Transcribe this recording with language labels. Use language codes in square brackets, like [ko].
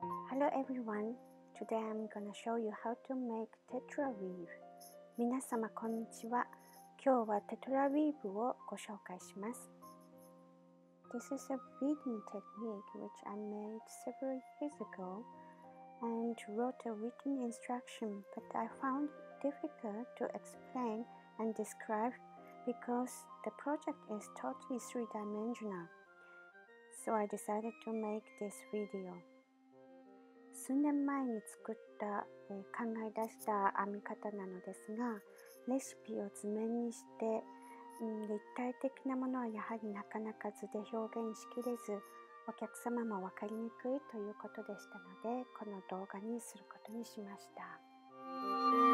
[en] gonna show you how to make tetra weave. [ja] 皆様こんにちは。今日はテトラウィーブをご紹介します。 [en] This is a beading technique which I made several years ago and wrote a written instruction, but I found it difficult to explain and describe because the project is totally three-dimensional. So I decided to make this video. [ja] 数年前に作った、考え出した編み方なのですが、レシピを図面にして、立体的なものはやはりなかなか図で表現しきれず、お客様も分かりにくいということでしたので、この動画にすることにしました。